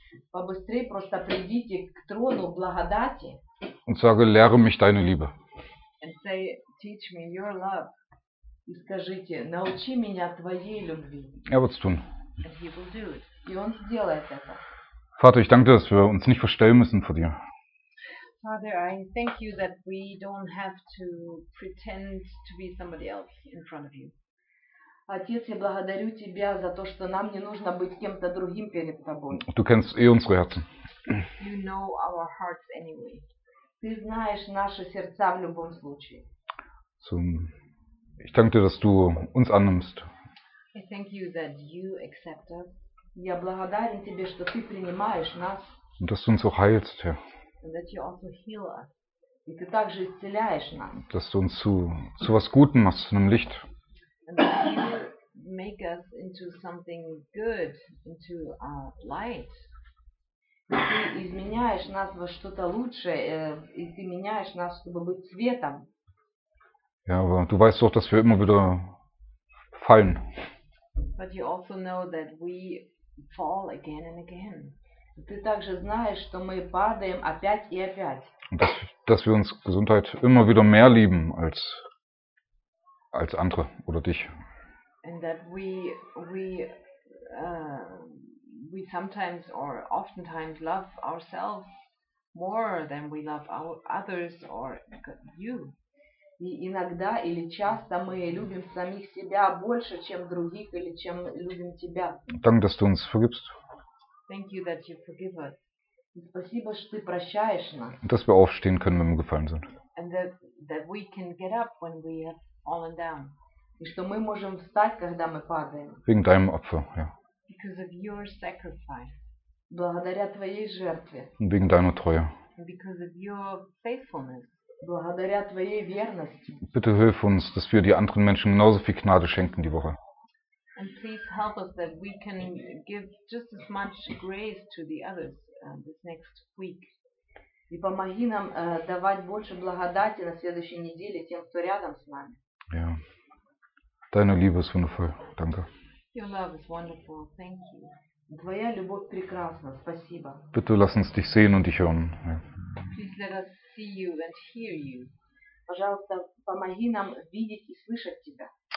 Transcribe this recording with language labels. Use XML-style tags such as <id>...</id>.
<ru>Побыстрее просто придите к трону благодати.</ru> <de>Und sage, lehre mich deine Liebe.</de> <en>And say, teach me your love.</en> <ru>И скажите, научи меня твоей любви.</ru> <de>Er wird's tun.</de> <en>And he will do it.</en> <ru>И он сделает это.</ru> <de>Vater, ich danke dir, dass wir uns nicht verstellen müssen vor dir.</de> <en>Father, I thank you that we don't have to pretend to be somebody else in front of you.</en> <ru>Отец, я благодарю тебя за то, что нам не нужно быть кем-то другим перед тобой.</ru> <de>Du kennst eh unsere Herzen.</de> <en>You know our hearts anyway.</en> <ru>Ты знаешь наши сердца в любом случае.</ru> <de>So, ich danke dir, dass du uns annimmst.</de> <en>I thank you that you accept us.</en> <ru>Я благодарен тебе, что ты принимаешь нас.</ru> <de>Und dass du uns auch heilst, Herr.</de> <en>And that you also heal us.</en> <ru>И ты также исцеляешь нас.</ru> <de>Dass du uns zu was Gutem machst, zu einem Licht.</de> <en>And that you make us into something good, into a light.</en> <ru>Ты изменяешь нас во что-то лучшее, и ты меняешь нас, чтобы быть светом.</ru> <de>Ja, aber du weißt doch, dass wir immer wieder fallen.</de> <en>But you also know that we fall again and again.</en> <ru>Ты также знаешь, что мы падаем опять и опять.</ru> <de>Dass wir uns Gesundheit immer wieder mehr lieben als andere oder dich.</de> <en>And that we sometimes or oftentimes love ourselves more than we love others or you.</en> <ru>И иногда или часто мы любим самих себя больше, чем других, или чем любим тебя.</ru> <de>Danke, dass du uns vergibst.</de> <en>Thank you that you forgive us.</en> <ru>И спасибо, что ты прощаешь нас.</ru> <de>Und dass wir aufstehen können, wenn wir gefallen sind.</de> <en>And that we can get up when we have fallen down.</en> <ru>И что мы можем встать, когда мы падаем.</ru> <de>Wegen deinem Opfer, ja.</de> <en>Because of your sacrifice.</en> <ru>Благодаря твоей жертве.</ru> <de>Und wegen deiner Treue.</de> <en>And because of your faithfulness.</en> <ru>Благодаря твоей верности.</ru> <de>Bitte hilf uns, dass wir die anderen Menschen genauso viel Gnade schenken die Woche.</de> <en>And please help us that we can give just as much grace to the others this next week.</en> <ru>И помоги нам давать больше благодати на следующей неделе тем, кто рядом с нами.</ru> <de>Ja. Deine Liebe ist wundervoll. Danke.</de> <en>Your love is wonderful. Thank you.</en> <ru>Твоя любовь прекрасна. Спасибо.</ru> <de>Bitte lass uns dich sehen und dich hören. Ja.</de> <en>Please let us see you and hear you.</en> <ru>Пожалуйста, помоги нам видеть и слышать тебя.</ru>